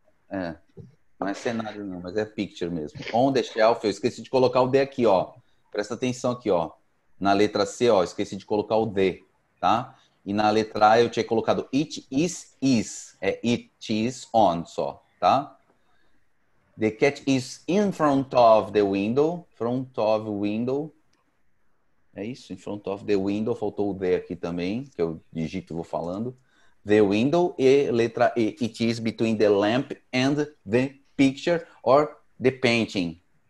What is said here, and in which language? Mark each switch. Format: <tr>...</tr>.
<pt>É, não é cenário, não, mas é picture mesmo.</pt> <en>On the shelf,</en> <pt>eu esqueci de colocar o D aqui, ó. Presta atenção aqui, ó. Na letra C, ó, esqueci de colocar o D, tá? E na letra A eu tinha colocado</pt> <en>it is.</en> <pt>É</pt> <en>it is on</en> <pt>só, tá?</pt> <en>The cat is in front of the window. Front of window.</en> <pt>É isso,</pt> <en>in front of the window.</en> <pt>Faltou o D aqui também, que eu digito e vou falando.</pt> <en>The window</en> <pt>e letra E.</pt> <en>It is between the lamp and the picture or the painting.</en>